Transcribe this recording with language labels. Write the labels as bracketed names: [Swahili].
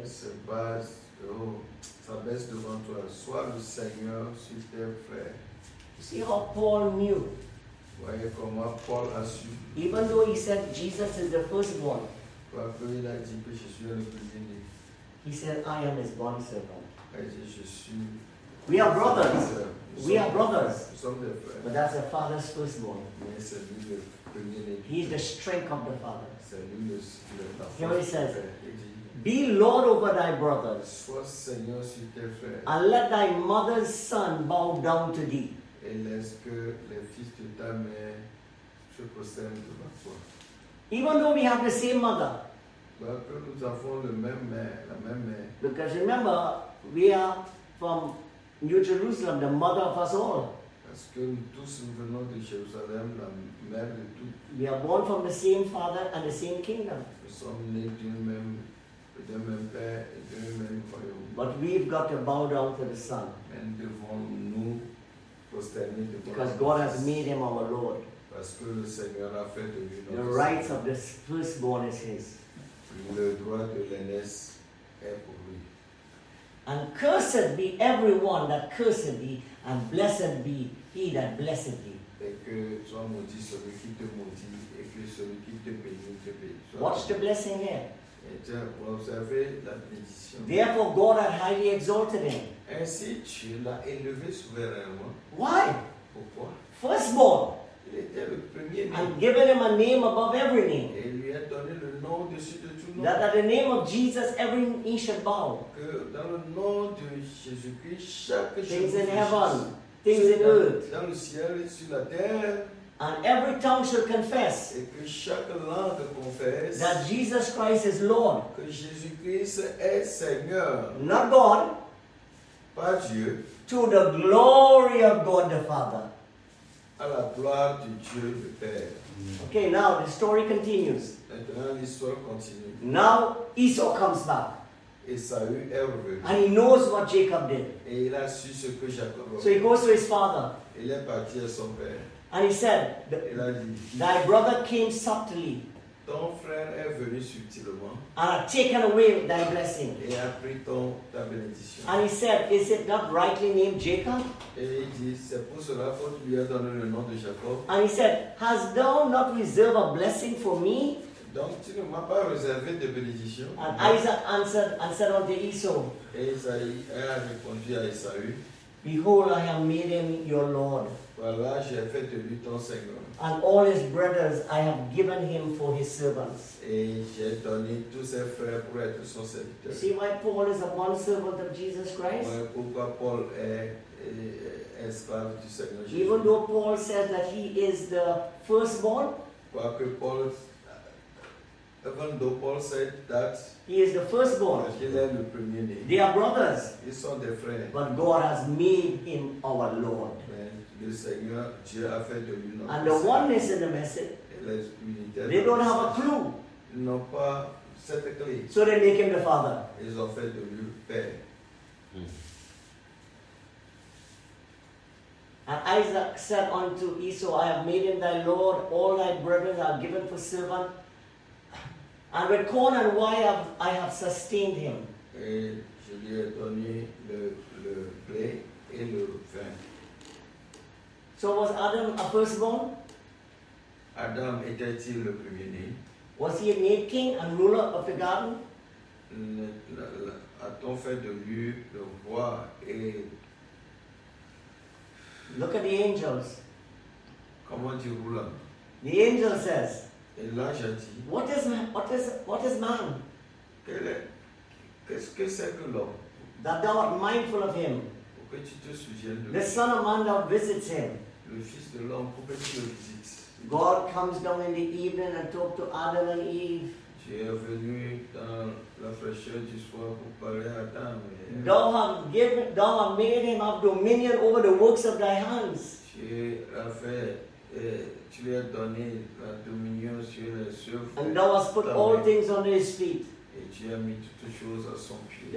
[French] S'abaisse devant toi. Sois le Seigneur sur tes frères. [English] See how Paul knew. [French] Voyez comment Paul a su. [English] Even though he said Jesus is the firstborn. [French] Quoique il a dit que je suis le premier-né. [English] He said, I am his bond servant. [French] Je suis. [English] We are brothers. We are brothers. [French] Frères. [English] But that's the father's firstborn. [French] Mais c'est lui le premier-né. [English] He is the strength of the father. [French] C'est lui le [English] Here he says, Be Lord over thy brothers. [French] Sois Seigneur sur tes frères. [English] And let thy mother's son bow down to thee. [French] Et laisse que les fils de ta mère se prosternent devant toi. [English] Even though we have the same mother. [French] Que nous avons le même mère, la même mère. [English] Because remember, we are from New Jerusalem, the mother of us all. [French] Parce que nous tous nous venons de Jérusalem, la mère de tous. [English] We are born from the same father and the same kingdom. [French] Nous sommes nés d'un même père et d'un même royaume. [English] But we've got to bow down to the Son. [French] Et devons nous prosterner devant. [English] Because God has made him our Lord. [French] Parce que le Seigneur a fait de lui notre Seigneur. [English] The rights of the firstborn is his. [French] Le droit de l'aînesse est pour lui. [English] And cursed be everyone that cursed thee, and blessed be he that blessed thee. [French] Et que soit maudit celui qui te maudit, et que celui qui te bénit te bénit. [English] Watch the blessing here. [French] Et tu as observé la bénédiction. [English] Therefore God had highly exalted him. [French] Ainsi tu l'as élevé souverainement. [English] Why? [French] Pourquoi? [English] Firstborn. [French] Il était le premier [English] name. And given him a name above every name. [French] Et lui a donné le nom au-dessus de tout nom. [English] That at the name of Jesus every knee should bow. [French] Que dans le nom de Jésus-Christ chaque genou. [English] Things in heaven, things in earth. [French] Dans le ciel et sur la terre. [English] And every tongue should confess. [French] Et que chaque langue confesse. [English] That Jesus Christ is Lord. [French] Que Jésus-Christ est Seigneur. [English] Not God. [French] Pas Dieu. [English] To the glory of God the Father. [French] À la gloire de Dieu le Père. [English] Okay, now the story continues. [French] Maintenant l'histoire continue. [English] Now Esau comes back. [French] Esau est revenu. [English] And he knows what Jacob did. [French] Et il a su ce que Jacob a fait. [English] So he goes to his father. [French] Il est parti à son père. [English] And he said, [French] il a dit, [English] Thy brother came subtly. [French] Ton frère est venu subtilement. [English] And I've taken away thy blessing. [French] Et a pris ton ta bénédiction. [English] And he said, Is it not rightly named Jacob? [French] Et il dit, c'est pour cela que tu lui as donné le nom de Jacob. [English] And he said, Has thou not reserved a blessing for me? [French] Donc tu ne m'as pas réservé de bénédiction. [English] And Isaac answered and said unto Esau. [French] Et Isaïe a répondu à Esau. [English] Behold, I have made him your Lord. [French] Voilà, j'ai fait de lui ton Seigneur. [English] And all his brothers I have given him for his servants. [French] Et j'ai donné tous ses frères pour être son serviteur. [English] See why Paul is a bond servant of Jesus Christ? [French] Ouais, pourquoi Paul est esclave du Seigneur Jésus? [English] Even though Paul says that he is the firstborn. [French] Quoique [English] Paul, even though Paul said that. He is the firstborn. [French] Il est le premier-né. [English] They are brothers. [French] Ils sont des frères. [English] But God has made him our Lord. [French] Le Seigneur, Dieu a fait de lui notre [English] and the oneness in the message. They don't have a clue. [French] Ils n'ont pas cette clé. [English] So they make him the father. [French] Ils ont fait de lui père. [English] And Isaac said unto Esau, I have made him thy Lord, all thy brethren are given for servant. And with corn and wine I have sustained him. [French] Et je lui ai donné le blé et le vin. [English] So was Adam a firstborn? [French] Adam était-il le premier-né? [English] Was he a made king and ruler of the garden? [French] A-t-on fait de lui le roi et... [English] Look at the angels. [French] Comment tu roules? [English] The angel says, [French] et l'ange a dit, [English] What is man? [French] Qu'est-ce que c'est que l'homme? [English] That thou art mindful of him. [French] Pour que tu te souviennes de [English] lui. The son of man thou visits him. [French] Le fils de l'homme, pourquoi tu le visites? [English] God comes down in the evening and talk to Adam and Eve. [French] Tu es venu dans la fraîcheur du soir pour parler à Adam et Eve. [English] Thou have made him have dominion over the works of thy hands. [French] Tu lui as donné la dominion sur les œuvres. [English] And thou hast put all things under his feet. [French] Et tu as mis toutes choses à son pied.